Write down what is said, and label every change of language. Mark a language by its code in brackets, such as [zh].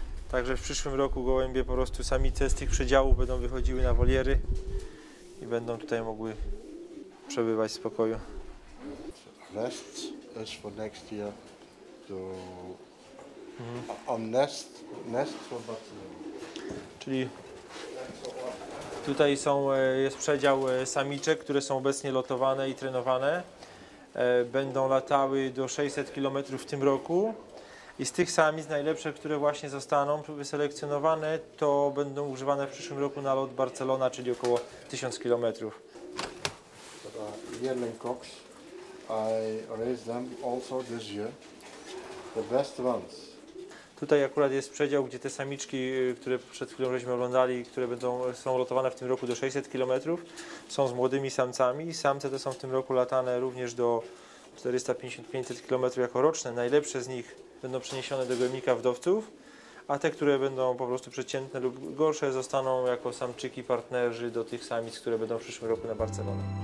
[pl] także w przyszłym roku gołębie po prostu samice z tych przedziałów będą wychodziły na woliery i będą tutaj mogły przebywać w spokoju. [en] Nest is for next year to on nest for Barcelona. [pl] Czyli tutaj jest przedział samiczek, które są obecnie lotowane i trenowane. Będą latały do 600 km w tym roku. I z tych samic najlepsze, które właśnie zostaną wyselekcjonowane, to będą używane w przyszłym roku na lot Barcelona, czyli około 1000 km. [en] Yearling cocks, I raised them also this year. The best ones. [pl] Tutaj akurat jest przedział, gdzie te samiczki, które przed chwilą żeśmy oglądali, które są lotowane w tym roku do 600 km, są z młodymi samcami. Samce te są w tym roku latane również do 450-500 km jako roczne. Najlepsze z nich będą przeniesione do gołębnika wdowców, a te, które będą po prostu przeciętne lub gorsze, zostaną jako samczyki partnerzy do tych samic, które będą w przyszłym roku na Barcelonie.